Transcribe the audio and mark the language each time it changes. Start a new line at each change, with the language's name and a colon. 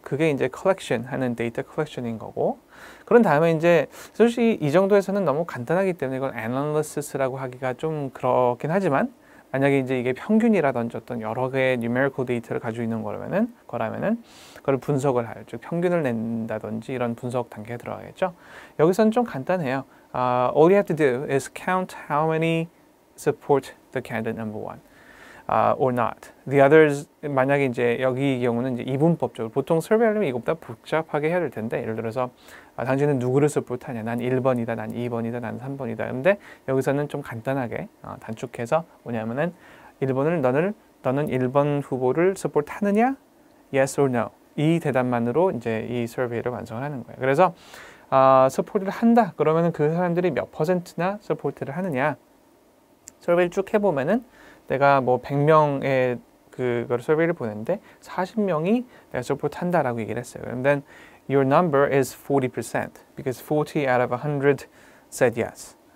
Korean: 그게 이제 컬렉션 하는 데이터 컬렉션인 거고. 그런 다음에 이제 솔직히 이 정도에서는 너무 간단하기 때문에 이걸 애널리시스라고 하기가 좀 그렇긴 하지만, 만약에 이제 이게 평균이라든지 어떤 여러 개의 뉴메리컬 데이터를 가지고 있는 거라면은 그걸 분석을 할, 즉 평균을 낸다든지 이런 분석 단계에 들어가겠죠. 여기서는 좀 간단해요.
English: All you have to do is count how many support the candidate number one, or not. The others,
Korean: 만약에 이제 여기 경우는 이제 이분법적으로 보통 설명하려면 이것보다 복잡하게 해야 될 텐데, 예를 들어서 당신은 누구를 서포트하냐? 난 1번이다, 난 2번이다, 난 3번이다. 근데 여기서는 좀 간단하게 단축해서 뭐냐면은 1번을 너는 1번 후보를 서포트하느냐?
English: Yes or no?
Korean: 이 대답만으로 이제 이 서베이를 완성을 하는 거예요. 그래서 서포트를 한다 그러면은 그 사람들이 몇 퍼센트나 서포트를 하느냐? 서베이를 쭉 해보면은 내가 뭐 100명의 그걸 서베이를 보는데 40명이 내가 서포트한다라고 얘기를 했어요. 그런데
English: Your number is 40% because 40 out of 100 said yes.